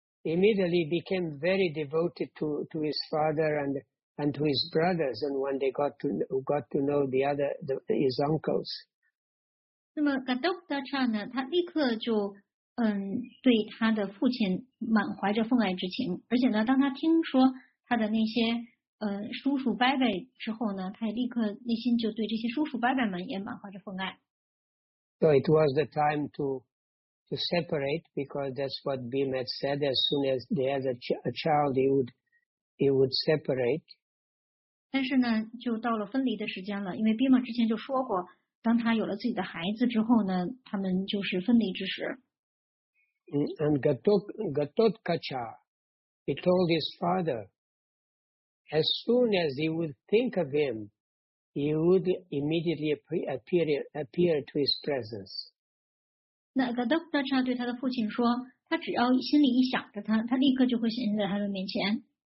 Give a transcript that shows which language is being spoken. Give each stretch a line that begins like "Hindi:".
English: Immediately became very devoted to his father and to his brothers, and when they got to know his uncles.
Chinese: 那么 Gatotkacha 呢，他立刻就对他的父亲满怀着奉爱之情，而且呢，当他听说他的那些叔叔伯伯之后呢，他也立刻内心就对这些叔叔伯伯们也满怀着奉爱。
English: So it was the time to separate, because that's what Bhima had said, as soon as they had a child, he would separate.
Chinese: 但是呢，就到了分离的时间了，因为 Bhima 之前就说过，当他有了自己的孩子之后呢，他们就是分离之时。
English: And Gatotkacha, he told his father, as soon as he would think of him, he would immediately appear to his presence.
Chinese: 那 Gatotkacha 对他的父亲说，他只要心里一想着他，他立刻就会显现在他的面前。